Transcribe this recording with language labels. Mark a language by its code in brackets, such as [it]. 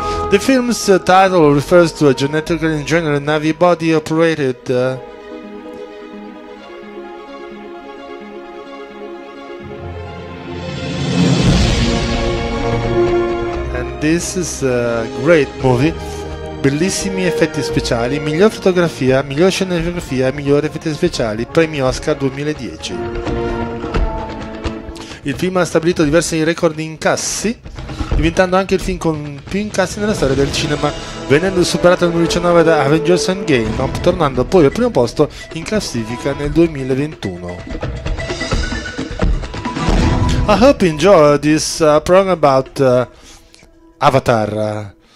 [en] The film's title refers to a genetically engineered Na'vi body operated and this is a great movie. [it] Bellissimi effetti speciali, miglior fotografia, miglior scenografia, migliori effetti speciali, premio Oscar 2010. Il film ha stabilito diversi record di incassi, diventando anche il film con più incassi nella storia del cinema, venendo superato nel 2019 da Avengers Endgame, tornando poi al primo posto in classifica nel 2021. [en] I hope you enjoy this program about Avatar.